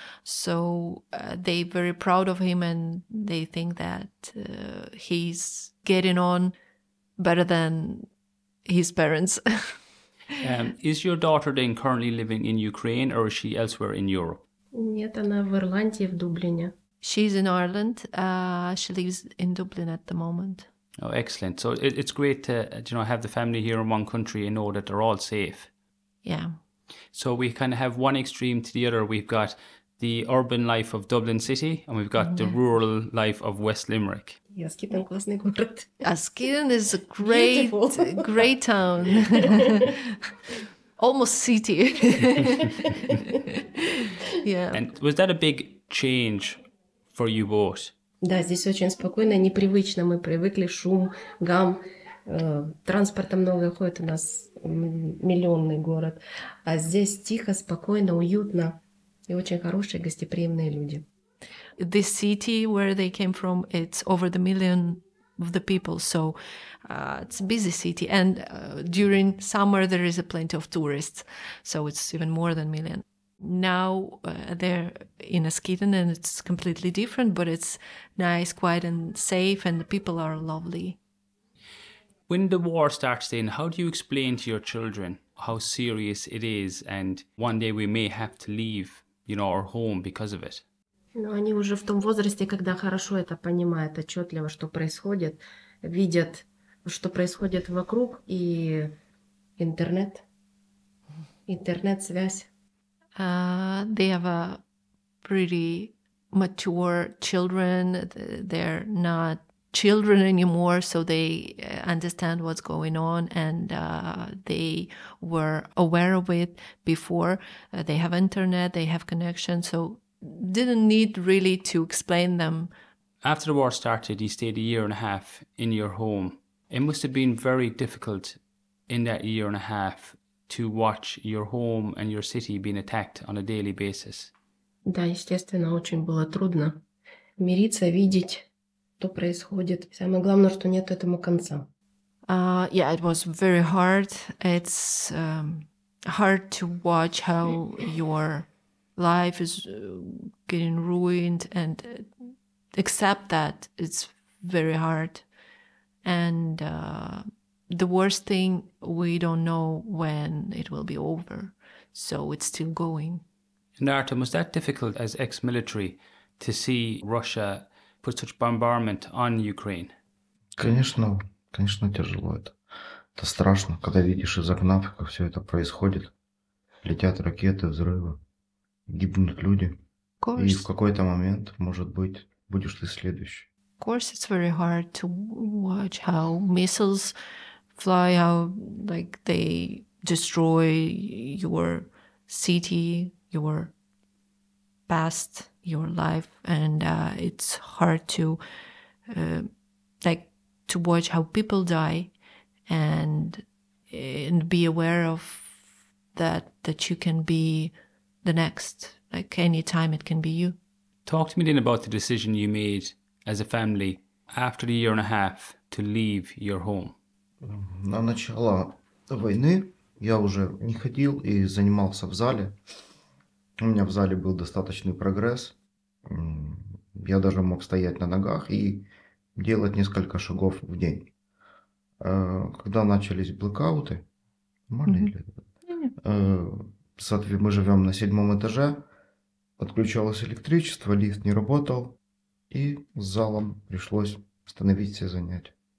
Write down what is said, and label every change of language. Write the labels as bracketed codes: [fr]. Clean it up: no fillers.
[en] So they're very proud of him, and they think that he's getting on better than his parents. Is your daughter then currently living in Ukraine, or is she elsewhere in Europe? [ru] Нет, она в Ирландии, в Дублине. [en] She's in Ireland. She lives in Dublin at the moment. Oh, excellent. So it's great to, you know, have the family here in one country and know that they're all safe. Yeah. So we kind of have one extreme to the other. We've got the urban life of Dublin City, and we've got the rural life of West Limerick. [ru] Askeaton, классный город. [en] Askeaton is a great, great town. Almost city. Yeah. And was that a big change for you both? [ru] Да, здесь очень спокойно, непривычно. Мы привыкли, шум, гам, транспорта много ходит, у нас миллионный город. А здесь тихо, спокойно, уютно. И очень хорошие, гостеприимные люди. [en] The city where they came from, it's over the million of the people, so it's a busy city. And during summer, there is a plenty of tourists, so it's even more than million. Now they're in Askeaton, and it's completely different, but it's nice, quiet and safe, and the people are lovely. When the war starts then, how do you explain to your children how serious it is, and one day we may have to leave, you know, our home because of it? [ru] Ну, они уже в том возрасте, когда хорошо это понимают, отчетливо, что происходит, видят, что происходит вокруг, и интернет, интернет-связь. [en] They have a pretty mature children. They're not children anymore, so they understand what's going on, and they were aware of it before. They have internet, they have connection, so didn't need really to explain them. After the war started, you stayed a year and a half in your home. It must have been very difficult in that year and a half to watch your home and your city being attacked on a daily basis. [ru] Да, естественно, очень было трудно мириться, видеть, что происходит. Самое главное, что нет этому конца. [en] Yeah, it was very hard. It's hard to watch how your life is getting ruined, and accept that it's very hard. And the worst thing, we don't know when it will be over. So it's still going. And Artem, was that difficult as ex-military to see Russia put such bombardment on Ukraine? [ru] Конечно, конечно, тяжело это. Это страшно, когда видишь из окна, как все это происходит. Летят ракеты, взрывы. Гибнут люди. И в какой-то момент, может быть, будешь ты следующий. [en] Of course, it's very hard to watch how missiles fly, how like they destroy your city, your past, your life, and it's hard to to watch how people die and be aware of that you can be the next, like any time it can be you. Talk to me then about the decision you made as a family after a year and a half to leave your home. [ru] На начало войны я уже не ходил и занимался в зале. У меня в зале был достаточный прогресс. Я даже мог стоять на ногах и делать несколько шагов в день. Когда начались блэкауты, мы живем на седьмом этаже, отключалось электричество, лифт не работал, и с залом пришлось остановить все занятия.